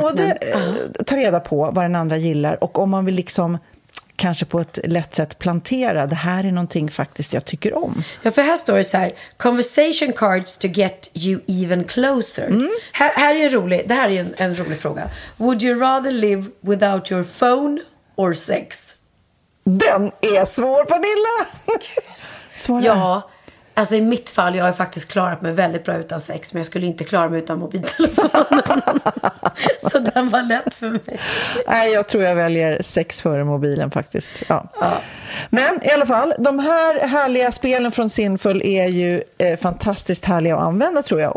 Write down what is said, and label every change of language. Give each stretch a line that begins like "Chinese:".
Swedish: både ta reda på vad den andra gillar, och om man vill liksom kanske på ett lätt sätt plantera det här är någonting faktiskt jag tycker om. Ja, för här står det så här:
English: conversation cards to get you even closer.
Swedish: Mm. Här är en rolig, det här är en rolig fråga.
English: Would you rather live without your phone or sex?
Swedish: Den är svår, Pernilla. Svara. Ja. Alltså i mitt fall, jag har faktiskt klarat mig väldigt bra utan sex, men jag skulle inte klara mig utan mobiltelefonen. Så den var lätt för mig. Nej, jag tror jag väljer sex före mobilen faktiskt. Ja. Ja. Men i alla fall, de här härliga spelen från Sinful är ju fantastiskt härliga att använda, tror jag.